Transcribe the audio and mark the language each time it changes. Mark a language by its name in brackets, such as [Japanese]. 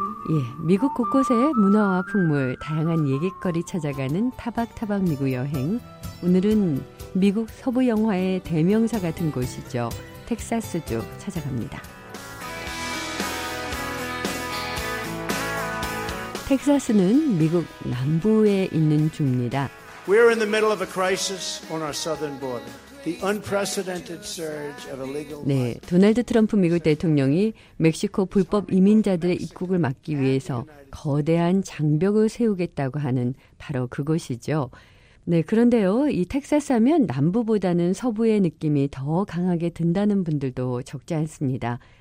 [Korean] 예, 미국 곳곳의 문화와 풍물, 다양한 얘기거리 찾아가는 타박타박 미국 여행. 오늘은 미국 서부 영화의 대명사 같은 곳이죠. 텍사스주 찾아갑니다. 텍사스는 미국 남부에 있는 주입니다. [English] We're in the middle of a crisis on our southern border. The unprecedented surge of illegal... [Korean] 네, 도널드 트럼프 미국 대통령이 멕시코 불법 이민자들의 입국을 막기 위해서 거대한 장벽을 세우겠다고 하는 바로 그곳이죠. 네, 그런데요, 이 텍사스 하면 남부보다는 서부의 느낌이 더 강하게 든다는 분들도 적지 않습니다.